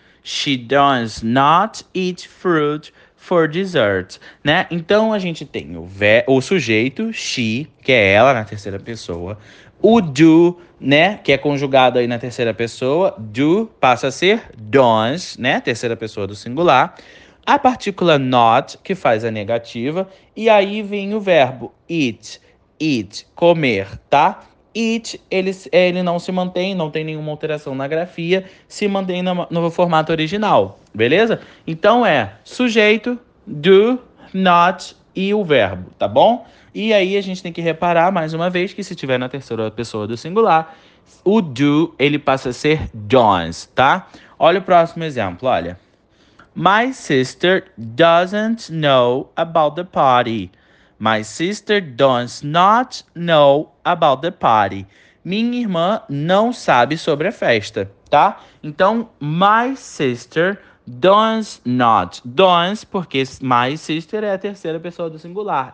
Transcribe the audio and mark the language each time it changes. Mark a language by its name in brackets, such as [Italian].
[English] She does not eat fruit for dessert, né? [Portuguese] Então a gente tem o sujeito, she, que é ela na terceira pessoa. O do, né? Que é conjugado aí na terceira pessoa. Do passa a ser does, né? Terceira pessoa do singular. A partícula not, que faz a negativa. E aí vem o verbo eat. Eat, comer, tá? Eat, ele não se mantém, não tem nenhuma alteração na grafia, se mantém no formato original, beleza? Então é sujeito, do, not e o verbo, tá bom? E aí a gente tem que reparar mais uma vez que se tiver na terceira pessoa do singular, o do ele passa a ser does, tá? Olha o próximo exemplo, olha. [English] My sister doesn't know about the party. My sister does not know about the party. [Portuguese] Minha irmã não sabe sobre a festa, tá? Então, [English] my sister does not. [Portuguese] Does, porque my sister é a terceira pessoa do singular.